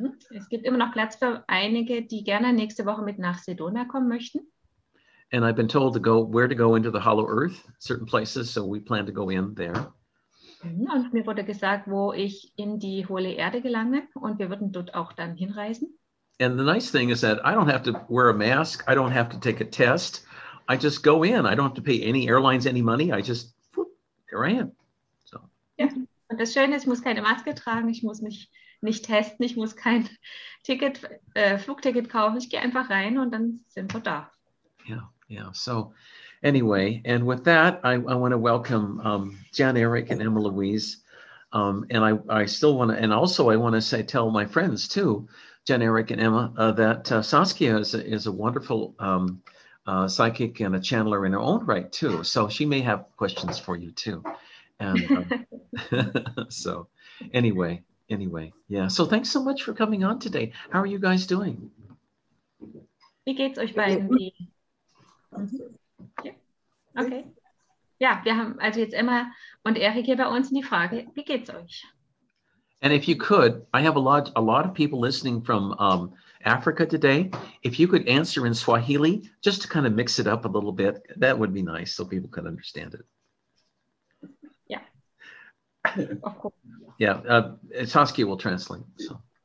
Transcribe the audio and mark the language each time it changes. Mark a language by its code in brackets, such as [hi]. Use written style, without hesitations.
[de] Es gibt immer noch Platz für einige, die gerne nächste Woche mit nach Sedona kommen möchten. [en] And I've been told to go into the hollow earth, certain places, so we plan to go in there. [de] Und mir wurde gesagt, wo ich in die hohle Erde gelange, und wir würden dort auch dann hinreisen. [en] And the nice thing is that I don't have to wear a mask, I don't have to take a test, I just go in, I don't have to pay any airlines any money, I just, there I am. So. [de] Ja. Und das Schöne ist, ich muss keine Maske tragen, ich muss mich nicht testen, ich muss kein Ticket, Flugticket kaufen, ich gehe einfach rein und dann sind wir da. [en] Yeah, so anyway, and with that, I want to welcome Jan Erik and Emma Louise, and I still want to, and also I want to say, tell my friends too, Jan Erik and Emma, that Saskia is a wonderful psychic and a channeler in her own right too, so she may have questions for you too. And so anyway, yeah. So thanks so much for coming on today. How are you guys doing? [de] Wie geht's euch beiden? Mm-hmm. Yeah. Okay. Ja, wir haben also jetzt Emma und Erik hier bei uns, und die Frage, wie geht's euch? [en] And if you could, I have a lot of people listening from Africa today. If you could answer in Swahili, just to kind of mix it up a little bit, that would be nice so people could understand it. Of course. Yeah, Saskia will translate. So.